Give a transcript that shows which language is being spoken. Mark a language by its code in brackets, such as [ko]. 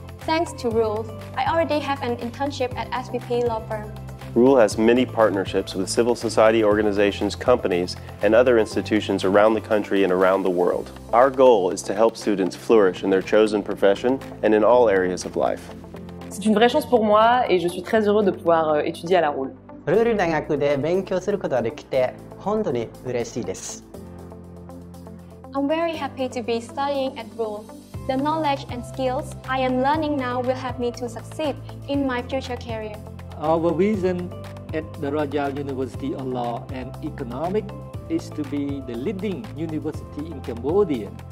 [en] Thanks to RULE, I already have an internship at SVP Law Firm. RULE has many partnerships with civil society organizations, companies, and other institutions around the country and around the world. Our goal is to help students flourish in their chosen profession and in all areas of life. [fr] C'est une vraie chance pour moi, et je suis très heureux de pouvoir étudier à la RULE. [ja] RULE 大学で勉強することができて本当に嬉しいです。 [en] I'm very happy to be studying at RULE. The knowledge and skills I am learning now will help me to succeed in my future career. Our vision at the Royal University of Law and Economics is to be the leading university in Cambodia.